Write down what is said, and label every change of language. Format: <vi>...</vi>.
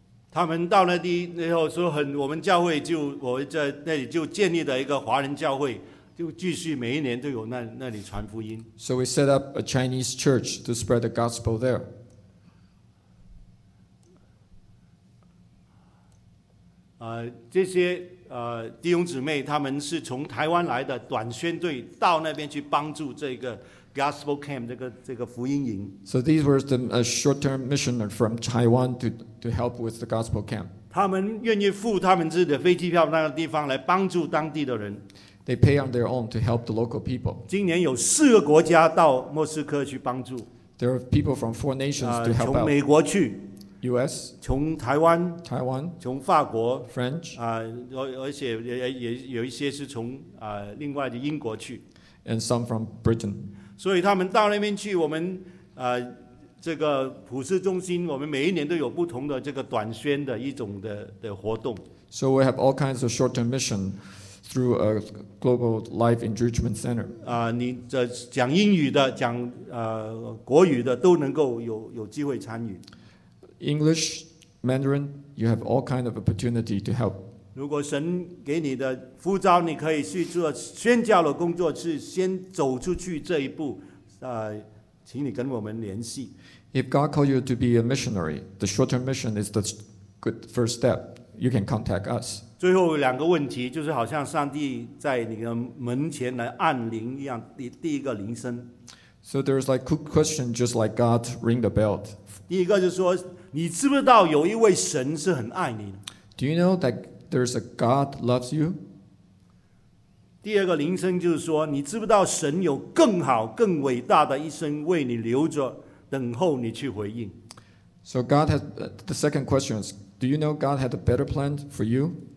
<zh>他们到那地那时候说很，我们教会就我在那里就建立了一个华人教会，就继续每一年都有那里传福音。</zh> <en>So we set up a Chinese church to spread the gospel there.</en> <zh>这些弟兄姊妹，他们是从台湾来的短宣队，到那边去帮助这个 gospel camp 这个福音营。</zh> <en>So these were the short-term missioners from Taiwan to help with the gospel camp.</en> <zh>他们愿意付他们自己的飞机票那个地方来帮助当地的人。</zh> <en>They pay on their own to help the local people.</en> <zh>今年有4个国家到莫斯科去帮助。</zh> <en>There are people from 4 nations to help out.</en> <zh>从美国去。</zh> <en>U.S.</en> <zh>从台湾，台湾从法国</zh> <en>，French</en> <zh>而且也有一些是从另外的英国去</zh> <en>，and some from Britain。</en> <zh>所以他们到那边去，我们这个普世中心，我们每一年都有不同的这个短宣的一种的活动。</zh> <en>So we have all kinds of short-term mission through a global life enrichment center。</en> <zh>你这讲英语的、讲国语的都能够有机会参与。</zh> <en>English, Mandarin, you have all kinds of opportunity to help.</en> <zh>如果神给你的呼召，你可以去做宣教的工作，是先走出去这一步。请你跟我们联系。</zh> <en>If God called you to be a missionary, the short-term mission is the good first step. You can contact us.</en> <zh>最后两个问题，就是好像上帝在你的门前来按铃一样，第一个铃声。</zh> <en>So there's like a question, just like God ring the bell.</en> <zh>第一个就是说。你知不知道有一位神是很爱你的</zh> <en>？Do you know that there's a God loves you？</en> <zh>第二个铃声就是说，你知不知道神有更好、更伟大的一生为你留着，等候你去回应</zh> <en>？So God has the second question is, do you know God had a better plan for you？</en>